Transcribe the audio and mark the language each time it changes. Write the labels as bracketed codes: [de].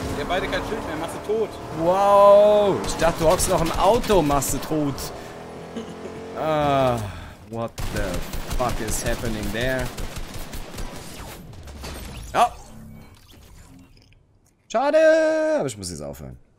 [de] Ihr beide kein Schild mehr, machst du tot. Wow, ich dachte, du hockst noch im Auto, machst du tot. [en] what the fuck is happening there? [de] Oh! Schade, aber ich muss jetzt aufhören.